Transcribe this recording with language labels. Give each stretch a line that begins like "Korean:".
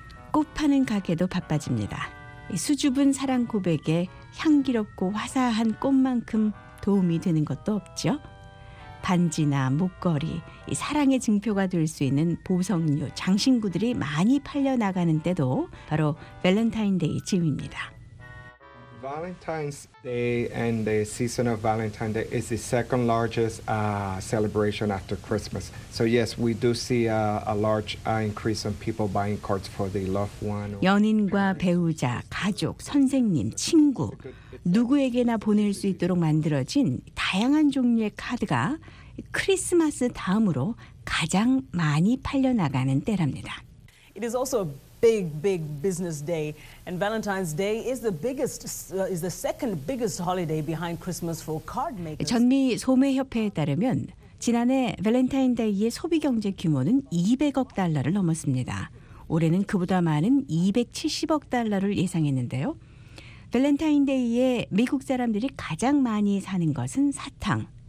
Korean: 꽃 파는 가게도 바빠집니다. 수줍은 사랑 고백에 향기롭고 화사한 꽃만큼 도움이 되는 것도 없죠. 반지나 목걸이, 사랑의 증표가 될 수 있는 보석류, 장신구들이 많이 팔려나가는 때도 바로 밸런타인데이 즈음입니다.
English: Valentine's Day and the season of Valentine's Day is the second largest celebration after Christmas. So yes, we do see a large increase in people buying cards for the loved one.
Korean: 연인과 배우자, 가족, 선생님, 친구, 누구에게나 보낼 수 있도록 만들어진 다양한 종류의 카드가 크리스마스 다음으로 가장 많이 팔려 나가는 때랍니다.
English: It is also big business day, and Valentine's Day is the biggest, is the second biggest holiday behind Christmas for card makers.
Korean: 전미 소매협회에 따르면 지난해 밸런타인데이의 소비 경제 규모는 200억 달러를 넘었습니다. 올해는 그보다 많은 270억 달러를 예상했는데요. 밸런타인데이에 미국 사람들이 가장 많이 사는 것은 사탕.